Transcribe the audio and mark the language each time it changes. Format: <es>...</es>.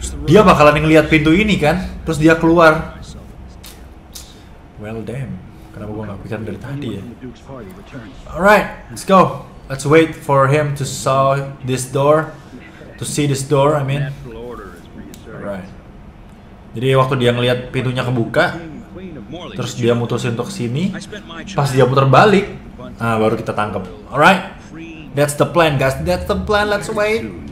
<id>Dia bakalan ngelihat pintu ini kan, terus dia keluar.</id> <en>Well damn,</en> <id>kenapa gue gak pikir dari tadi ya?</id> <en>Alright, let's go. Let's wait for him to saw this door. To see this door, I mean. Alright.</en> <id>Jadi waktu dia ngelihat pintunya kebuka, terus dia mutusin untuk kesini. Pas dia putar balik, nah baru kita tangkap.</id> <en>Alright, that's the plan guys, that's the plan, let's wait.</en>